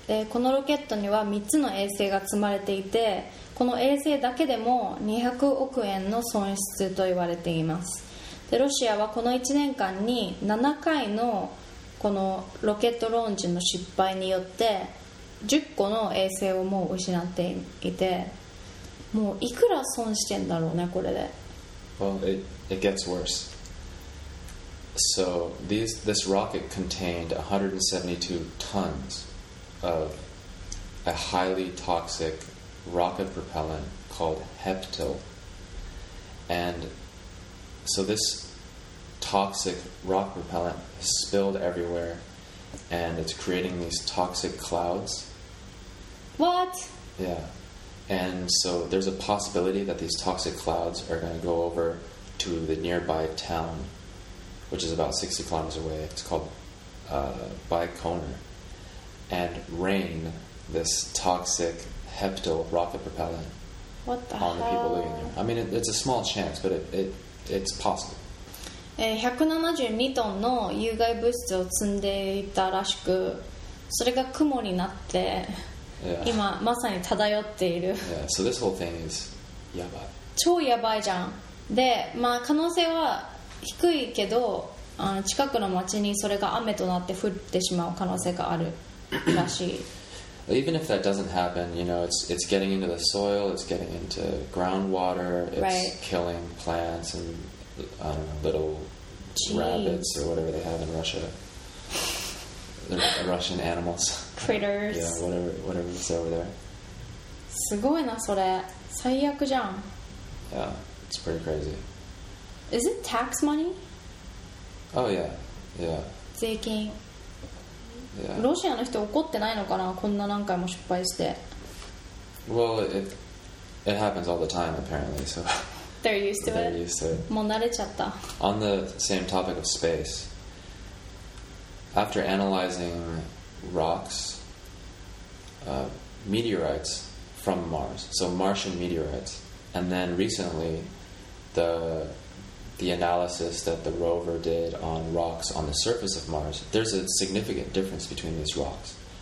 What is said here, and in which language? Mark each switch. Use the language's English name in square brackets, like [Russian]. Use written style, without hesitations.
[Japanese] このロケットには3つの衛星が積まれていて、この衛星だけでも200億円の損失と言われています。で、ロシアはこの1年間に7回のこのロケットローンチの失敗によって10個の衛星をもう失っていてもういくら損してんだろうねこれで [English] Well, it gets worse So this rocket contained 172 tons of a highly toxic rocket propellant called Heptil and so this toxic rock propellant spilled everywhere and it's creating these toxic clouds. What? Yeah. And so there's a possibility that these toxic clouds are going to go over to the nearby town, which is about 60 kilometers away. It's called Baikonur. And rain this toxic Heptil rocket propellant What the on hell? The people living there. I mean, it's a small chance, but it's possible. [Japanese] 172トンの有害物質を積んでいたらしくそれが雲になって、 [English] yeah. [Japanese] 今まさに漂っている、 [English] yeah. so、this whole thing is やばい [Japanese] 超やばいじゃんで、まあ、可能性は低いけど近くの町にそれが雨となって降ってしまう可能性があるらしい [English] Even if that doesn't happen, you know, it's getting into the soil, it's getting into groundwater, it's、 right. killing plants andlittle、 Jeez. Rabbits or whatever they have in Russia. Russian animals. Critters. Yeah, whatever it's over there. [Japanese] すごいなそれ。最悪じゃん。 [English] Yeah, it's pretty crazy. Is it tax money? Oh yeah, yeah. [Japanese] 税金。 [English] Yeah. [Japanese] ロシアの人怒ってないのかな、こんな何回も失敗して。 [English] Well, it happens all the time apparently, so... They're used to it. They're used to it. [Japanese] もう慣れちゃった。 [English] On the same topic of space, after analyzing rocks, meteorites from Mars, so Martian meteorites, and then recently the analysis that the rover did on rocks on the surface of Mars, there's a significant difference between these rocks.